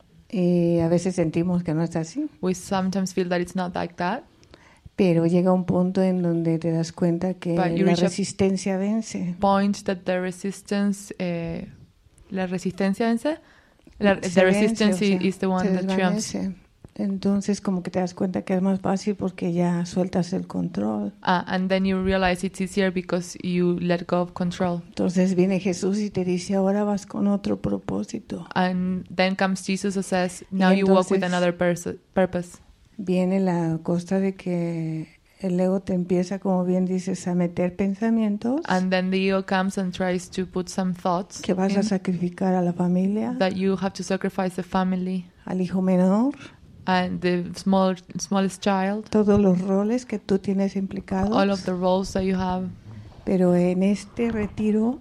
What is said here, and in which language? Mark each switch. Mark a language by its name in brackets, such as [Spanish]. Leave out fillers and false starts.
[Spanish] Y a veces sentimos que no es así. [English] We sometimes feel that it's not like that. [Spanish] Pero llega un punto en donde te das cuenta que la resistencia vence. [English] Point that the resistance [Spanish] la resistencia vence. [English] The resistance is the one that triumphs. [Spanish] Entonces, como que te das cuenta que es más fácil porque ya sueltas el control. [English] And then you realize it's easier because you let go of control. [Spanish] Entonces viene Jesús y te dice, ahora vas con otro propósito. [English] And then comes Jesus and says, now you walk with another purpose. [Spanish] Viene la cosa de que el ego te empieza, como bien dices, a meter pensamientos. [English] And then the ego comes and tries to put some thoughts. [Spanish] Que vas a sacrificar a la familia. [English] That you have to sacrifice the family. [Spanish] Al hijo menor. [English] And the smallest child. [Spanish] Todos los roles que tú tienes implicados. [English] All of the roles that you have. [Spanish] Pero en este retiro.